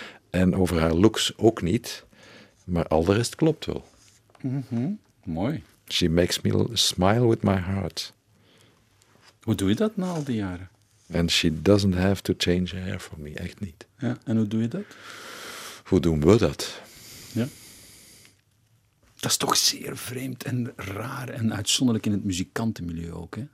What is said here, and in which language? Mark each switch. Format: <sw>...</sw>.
<nl>En over haar looks ook niet, maar al de rest klopt wel. Mm-hmm. Mooi.</nl> <en>She makes me smile with my heart.</en> <nl>Hoe doe je dat na al die jaren?</nl> <en>And she doesn't have to change her hair for me,</en> <nl>echt niet. Ja. En hoe doe je dat? Hoe doen we dat? Ja. Dat is toch zeer vreemd en raar en uitzonderlijk in het muzikantenmilieu ook, hè?</nl>